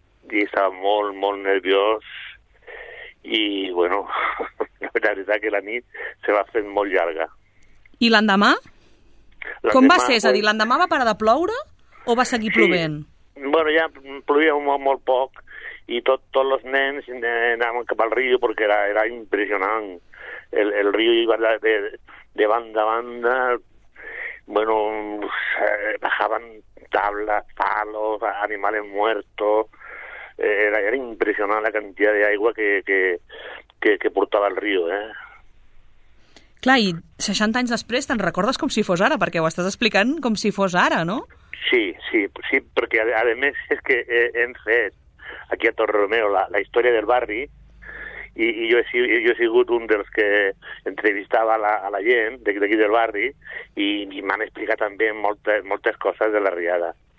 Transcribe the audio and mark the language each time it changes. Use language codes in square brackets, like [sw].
[ca] I estava molt, molt nerviós i, bueno, la veritat que la nit se va fent molt llarga. I l'endemà? Com va ser? És a dir, l'endemà va parar de ploure o va seguir plovent? Sí. Bueno, ja plovia molt poc i tots els nens anaven cap al riu perquè era impressionant. [es] El riu iba [ca] de banda a banda, [es] bueno, bajaban tablas, palos, animales muertos. Era impresionante la cantidad de agua que portaba el río, [ca] Clar, i 60 anys després te'n recordes com si fos ara, perquè ho estàs explicant com si fos ara, no? Sí, sí, sí, perquè además es que hem fet aquí a Torreromeu la història del barri. I jo he sigut un dels que entrevistava a la gent d'aquí del barri i m'han explicat també moltes coses de la riada.